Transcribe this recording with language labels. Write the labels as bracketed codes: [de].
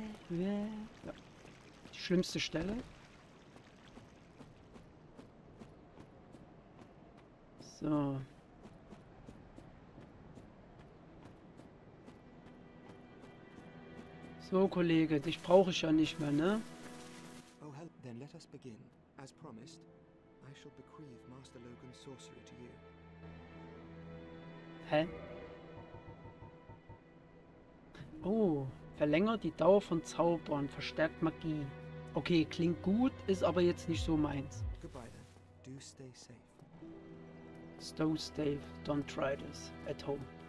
[de] Die schlimmste Stelle. So. So, Kollege, dich brauche ich ja nicht mehr, ne? [en] Oh, hell, then let us begin. As promised, I shall bequeath Master Logan's sorcery to you. Hä? [de] Oh, verlängert die Dauer von Zaubern, verstärkt Magie. Okay, klingt gut, ist aber jetzt nicht so meins. [en] Goodbye, then. Do stay safe. Stone safe, don't try this at home.